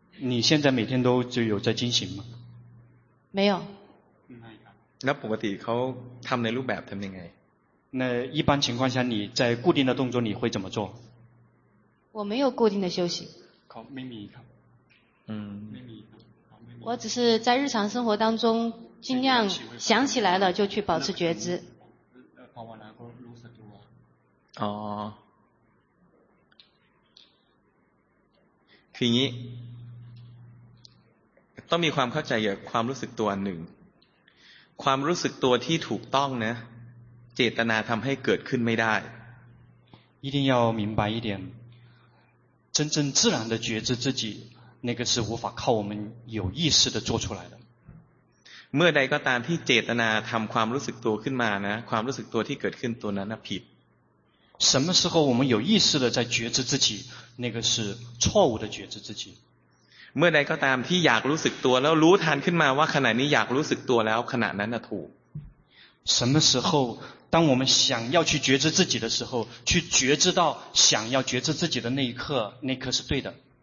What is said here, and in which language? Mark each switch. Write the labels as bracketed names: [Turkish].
[Chinese] 你现在每天都就有在进行吗？没有。 [Thai] 那ปกติเขาทำในรูปแบบทำยังไง？ [Chinese] 那一般情况下你在固定的动作你会怎么做？我没有固定的休息。 [Thai] เขาไม่มีครับ。 ไม่มี。 [Chinese] 我只是在日常生活当中。尽量想起来了就去保持觉知。哦。 [Thai] คืองี้ต้องมีความเข้าใจเกี่ยวกับความรู้สึกตัวหนึ่งความรู้สึกตัวที่ถูกต้องนะเจตนาทำให้เกิดขึ้นไม่ได้ [Chinese] 一定要明白一点真正自然的觉知自己那个是无法靠我们有意识的做出来的 [Thai] เมื่อใดก็ตามที่เจตนาทำความรู้สึกตัวขึ้นมานะความรู้สึกตัวที่เกิดขึ้นตัวนั้นน่ะผิด [Chinese] 什么时候我们有意识的在觉知自己那个是错误的觉知自己 [Thai] เมื่อใดก็ตามที่อยากรู้สึกตัวแล้วรู้ทันขึ้นมาว่าขณะนี้อยากรู้สึกตัวแล้วขณะนั้นน่ะถูก [Chinese] 什么时候当我们想要去觉知自己的时候去觉知到想要觉知自己的那一刻是对的